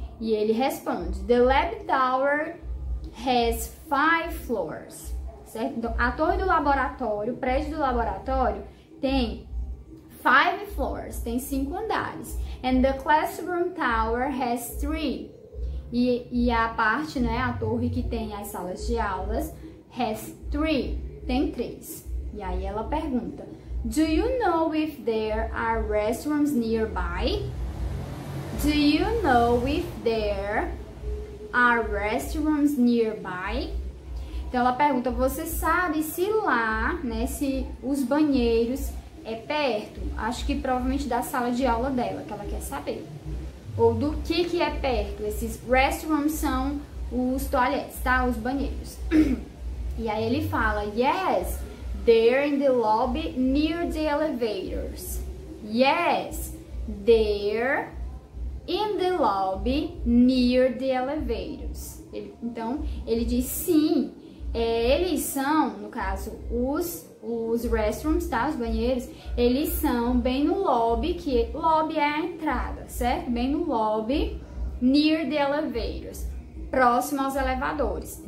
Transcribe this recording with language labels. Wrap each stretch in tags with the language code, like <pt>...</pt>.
<pt>E ele responde,</pt> <en>the lab tower has 5 floors.</en> <pt>Certo? A torre do laboratório, o prédio do laboratório, tem 5 floors, tem 5 andares.</pt> <en>And the classroom tower has 3.</en> <pt>E a parte, né, a torre que tem as salas de aulas,</pt> <en>has 3,</en> <pt>tem 3. E aí ela pergunta,</pt> <en>do you know if there are restrooms nearby? Do you know if there are restrooms nearby?</en> <pt>Então ela pergunta, você sabe se lá, né, se os banheiros é perto? Acho que provavelmente da sala de aula dela, que ela quer saber. Ou do que é perto? Esses restrooms são os toalhetes, tá? Os banheiros. E aí ele fala,</pt> <en>yes, they're in the lobby near the elevators. Yes, they're in the lobby near the elevators.</en> <pt>Então, ele diz sim, eles são, no caso, os restrooms, tá? Os banheiros, eles são bem no lobby, que lobby é a entrada, certo? Bem no lobby,</pt> <en>near the elevators,</en> <pt>próximo aos elevadores.</pt>